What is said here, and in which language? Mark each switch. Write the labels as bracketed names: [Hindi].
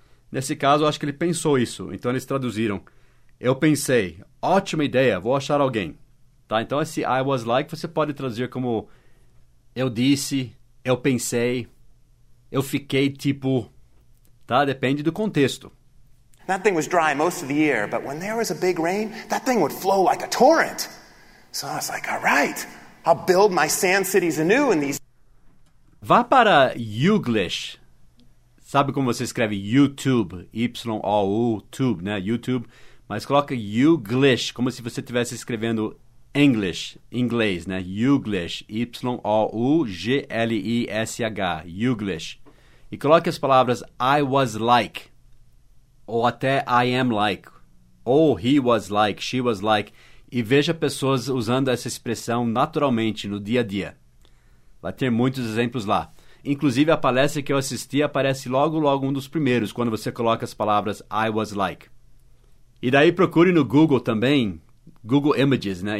[Portuguese] Nesse caso, eu acho que ele pensou isso. Então, eles traduziram. Eu pensei, ótima ideia, vou achar alguém. Tá? Então, esse I was like, você pode traduzir como eu disse, eu pensei, eu fiquei tipo... Tá? Depende do contexto. [English] That thing was dry most of the year, but when there was a big rain, that thing would flow like a torrent. So I was like, all right, I'll build my sand cities anew in these... [Portuguese] Vá para Youglish. Sabe como você escreve YouTube? Y-O-U-Tube, né? YouTube. Mas coloca Youglish, como se você estivesse escrevendo English, inglês, né? Youglish. Y-O-U-G-L-I-S-H. Youglish. E coloque as palavras I was like. Ou até I am like. Ou he was like, she was like. E veja pessoas usando essa expressão naturalmente no dia a dia. Vai ter muitos exemplos lá. Inclusive, a palestra que eu assisti aparece logo, logo um dos primeiros, quando você coloca as palavras I was like. E daí procure no Google também, Google Images, né?